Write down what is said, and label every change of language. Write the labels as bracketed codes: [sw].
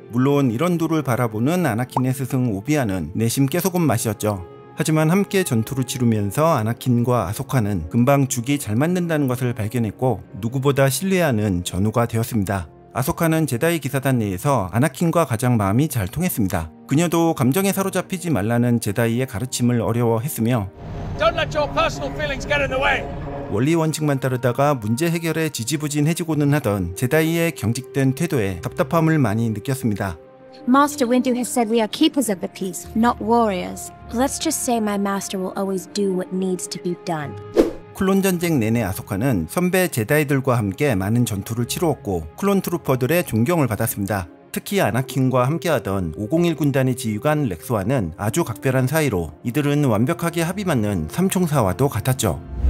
[ko] 물론 이런 두를 바라보는 아나킨의 스승 오비아는 내심 깨소금 맛이었죠. 하지만 함께 전투를 치르면서 아나킨과 아소카는 금방 죽이 잘 맞는다는 것을 발견했고 누구보다 신뢰하는 전우가 되었습니다. 아소카는 제다이 기사단 내에서 아나킨과 가장 마음이 잘 통했습니다. 그녀도 감정에 사로잡히지 말라는 제다이의 가르침을 어려워했으며 [en] Don't let your personal feelings get in the way. [ko] 원리 원칙만 따르다가 문제 해결에 지지부진해지고는 하던 제다이의 경직된 태도에 답답함을 많이 느꼈습니다. [en] Master Windu has said we are keepers of the peace, not warriors. Let's just say my master will always do what needs to be done. [ko] 클론 전쟁 내내 아소카는 선배 제다이들과 함께 많은 전투를 치루었고 클론 트루퍼들의 존경을 받았습니다. 특히 아나킨과 함께하던 501 군단의 지휘관 렉소와는 아주 각별한 사이로 이들은 완벽하게 합이 맞는 삼총사와도 같았죠.